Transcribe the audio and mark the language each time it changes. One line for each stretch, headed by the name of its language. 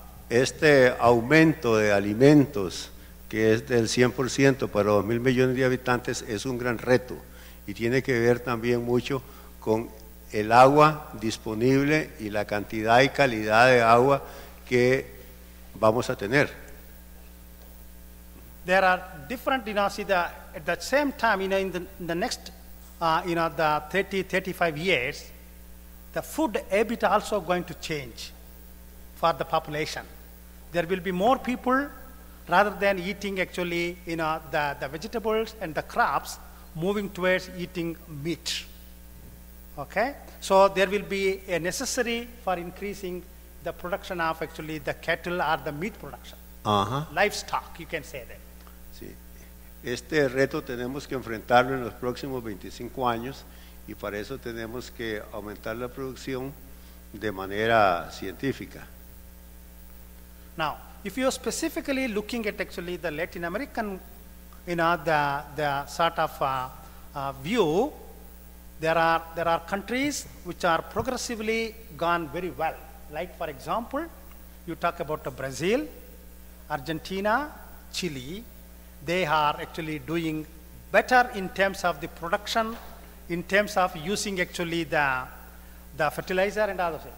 Spanish: Este aumento de alimentos, que es del 100% para 2,000 millones de habitantes, es un gran reto y tiene que ver también mucho con el agua disponible y la cantidad y calidad de agua que vamos a tener.
English: There are different, you know, see the, at the same time, you know, in the next, you know, the 30-35 years, the food habit also going to change for the population. There will be more people, rather than eating actually, you know, the vegetables and the crops, moving towards eating meat. Okay? So there will be a necessary for increasing the production of actually the cattle or the meat production. Uh-huh. Livestock, you can say that.
Spanish: Sí. Este reto tenemos que enfrentarlo en los próximos 25 años, y para eso tenemos que aumentar la producción de manera científica.
English: Now, if you're specifically looking at actually the Latin American, you know, the sort of view, there are countries which are progressively gone very well. Like, for example, you talk about Brazil, Argentina, Chile, they are actually doing better in terms of the production, in terms of using actually the fertilizer and other things.